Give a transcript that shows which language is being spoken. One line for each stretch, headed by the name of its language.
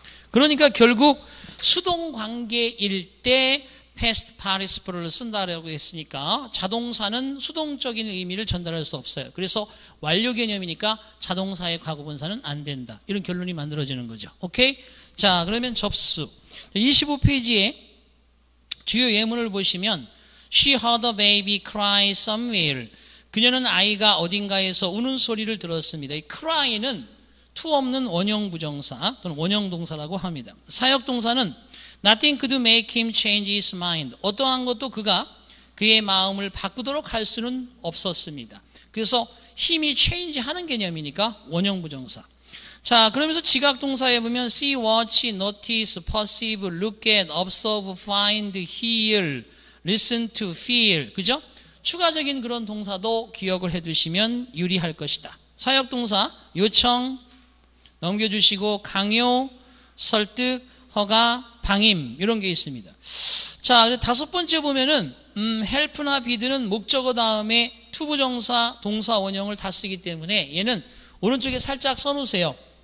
Korean: 그러니까 결국 수동관계일 때 past participle를 쓴다라고 했으니까 자동사는 수동적인 의미를 전달할 수 없어요. 그래서 완료 개념이니까 자동사의 과거분사는 안 된다. 이런 결론이 만들어지는 거죠. 오케이? 자, 그러면 접수. 25페이지에 주요 예문을 보시면
English: She heard a baby cry somewhere.
Korean: 그녀는 아이가 어딘가에서 우는 소리를 들었습니다. 이 cry는 to 없는 원형 부정사 또는 원형 동사라고 합니다. 사역 동사는
English: Nothing could make him change his mind.
Korean: 어떠한 것도 그가 그의 마음을 바꾸도록 할 수는 없었습니다. 그래서 힘이 change 하는 개념이니까 원형 부정사. 자, 그러면서 지각동사에 보면 see, watch, notice, perceive, look at, observe, find, hear, listen to, feel. 그죠? 추가적인 그런 동사도 기억을 해 두시면 유리할 것이다. 사역동사 요청 넘겨주시고 강요, 설득, 허가, 방임 이런 게 있습니다. 자, 다섯 번째 보면은 help나 bid는 목적어 다음에 to 부정사 동사 원형을 다 쓰기 때문에 얘는 오른쪽에 살짝 써놓으세요.